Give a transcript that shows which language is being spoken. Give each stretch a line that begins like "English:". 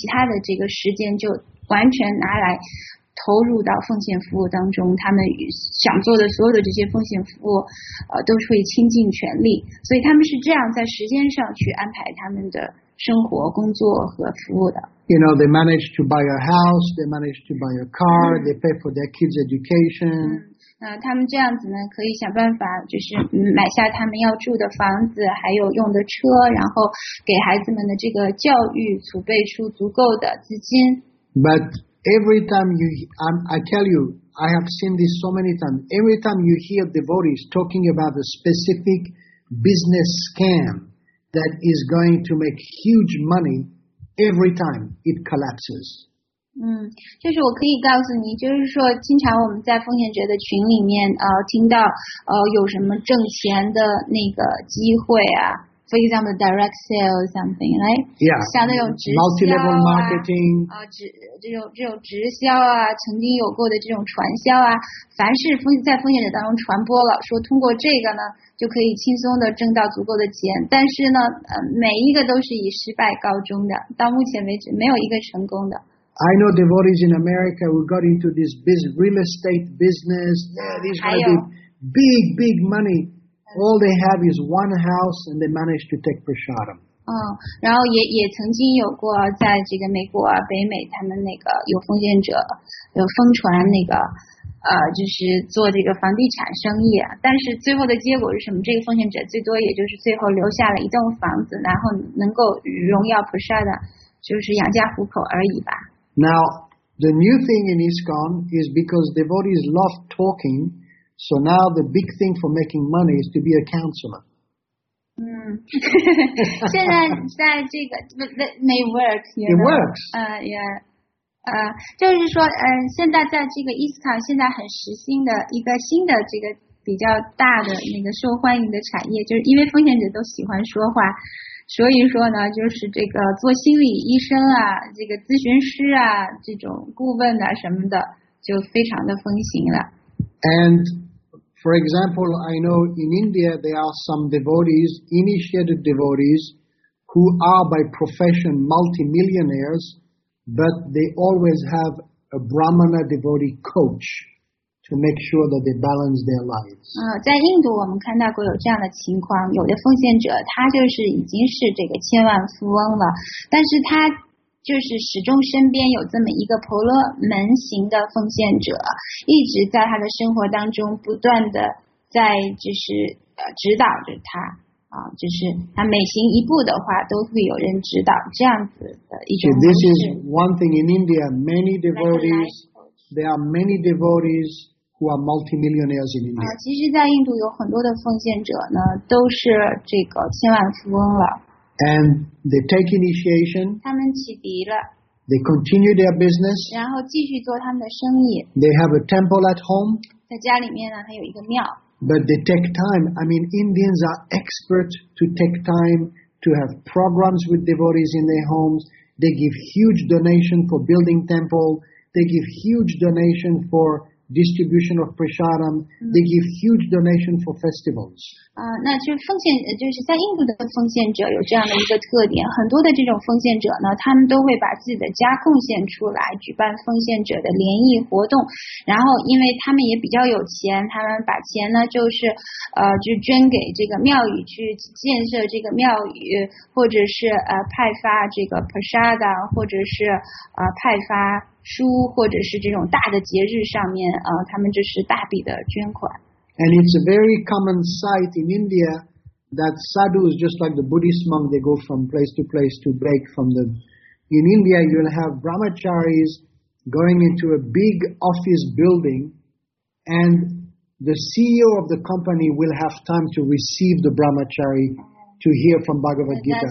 Chinese: 就是还有一些奉献者，他们是采取了这样的一种生活方式。他们一年呢，他们有这么一段时间，就是100%的投入到工作当中。然后他们的sadhana和他们的奉献服务呢，就是这个时候肯定就是降低到非常小的这个部分，就是起码维持的这样的一个部分。然后他们挣足了钱之后，他一年其他的这个时间就完全拿来 投入到奉献服务当中，他们想做的所有的这些奉献服务，都是会倾尽全力。所以他们是这样在时间上去安排他们的生活、工作和服务的。
English: You know, they manage to buy a house, they manage to buy a car, they pay for their kids' education.
Chinese: 他们这样子呢，可以想办法就是买下他们要住的房子，还有用的车，然后给孩子们的这个教育储备出足够的资金。
English: But Every time you, I tell you, I have seen this so many times. Every time you hear devotees talking about a specific business scam that is going to make huge money, every time it collapses.
Chinese: 嗯，就是我可以告诉你，就是说，经常我们在奉献者的群里面，听到，有什么挣钱的那个机会啊。
English: For example, direct sales, something, right? Yeah.
Chinese: 像那种直销啊。
English: Multi-level marketing.
Chinese: 啊，这种直销啊，曾经有过的这种传销啊，凡是在奉献者当中传播了，说通过这个呢，就可以轻松的挣到足够的钱。但是呢，每一个都是以失败告终的。到目前为止，没有一个成功的。
English: I know devotees in America who got into this business, real estate business. These are going to be big, big money. All they have is one house, and they managed to take prasadam.
Chinese: 嗯，然后也曾经有过在这个美国、北美，他们那个有奉献者，有疯传那个，就是做这个房地产生意。但是最后的结果是什么？这个奉献者最多也就是最后留下了一栋房子，然后能够荣耀prasadam，就是养家糊口而已吧。
English: Now, the new thing in ISKCON is because devotees love talking, so now the big thing for making money is to be a counselor.
Chinese: 嗯，现在在这个
English: that may work. You know? It works. Yeah.
Chinese: 就是说，现在在这个 ISKCON 现在很时兴的一个新的这个比较大的那个受欢迎的产业，就是因为奉献者都喜欢说话。所以说呢，就是这个做心理医生啊，这个咨询师啊，这种顾问啊什么的，就非常的风行了。
English: And for example, I know in India there are some devotees, initiated devotees, who are by profession multimillionaires, but they always have a Brahmana devotee coach. To make sure that they balance their lives.
Chinese: 在印度我们看到过有这样的情况，有的奉献者他就是已经是这个千万富翁了，但是他就是始终身边有这么一个婆罗门型的奉献者，一直在他的生活当中不断的在就是指导着他啊，就是他每行一步的话都会有人指导，这样子的一种方式。
English: So this is one thing in India. Many devotees. There are many devotees who are multimillionaires in India.
Chinese: 其实在印度有很多的奉献者呢，都是这个千万富翁了。
English: And they take initiation.
Chinese: 他们启迪了。
English: They continue their business.
Chinese: 然后继续做他们的生意。
English: They have a temple at home.
Chinese: 在家里面呢，还有一个庙。
English: But they take time. I mean, Indians are expert to take time to have programs with devotees in their homes. They give huge donation for building temple. They give huge donation for distribution of prasadam. They give huge donation for festivals.
Chinese: 那就是奉献，就是在印度的奉献者有这样的一个特点。很多的这种奉献者呢，他们都会把自己的家贡献出来，举办奉献者的联谊活动。然后，因为他们也比较有钱，他们把钱呢，就是就捐给这个庙宇去建设这个庙宇，或者是派发这个 prasadam， 或者是派发。书或者是这种大的节日上面，他们就是大笔的捐款。
English: And it's a very common sight in India that sadhus, just like the Buddhist monk, they go from place to place to beg from the. In India, you'll have brahmacharis going into a big office building, and the CEO of the company will have time to receive the brahmachari to hear from Bhagavad Gita.